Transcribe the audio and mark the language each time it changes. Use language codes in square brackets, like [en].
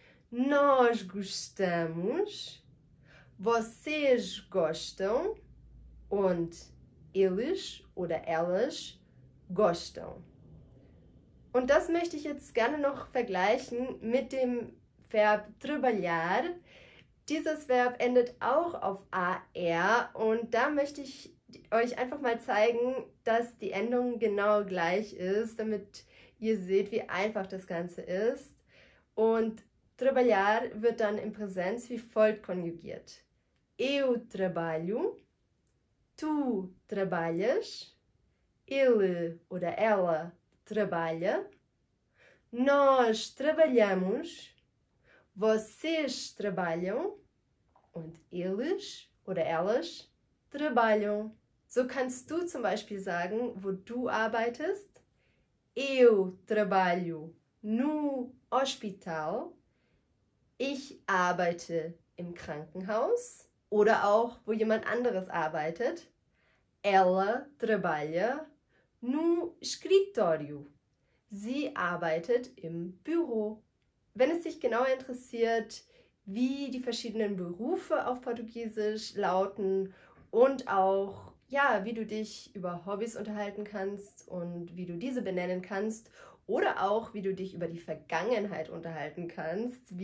[pt] Nós gostamos, vocês gostam [de] und [pt] eles oder elas gostam. [de] Und das möchte ich jetzt gerne noch vergleichen mit dem Verb trabalhar. Dieses Verb endet auch auf AR und da möchte ich euch einfach mal zeigen, dass die Endung genau gleich ist, damit ihr seht, wie einfach das Ganze ist. Und trabalhar wird dann im Präsens wie folgt konjugiert. [pt] Eu trabalho, tu trabalhas, ele [de] oder [pt] ela trabalha, nós trabalhamos, vocês trabalham [de] und [pt] eles oder elas trabalham. [de] So kannst du zum Beispiel sagen, wo du arbeitest. [pt] Eu trabalho no hospital. [de] Ich arbeite im Krankenhaus oder auch, wo jemand anderes arbeitet. [pt] Ela trabalha no escritório. [de] Sie arbeitet im Büro. Wenn es dich genauer interessiert, wie die verschiedenen Berufe auf Portugiesisch lauten und auch, ja, wie du dich über Hobbys unterhalten kannst und wie du diese benennen kannst, oder auch, wie du dich über die Vergangenheit unterhalten kannst.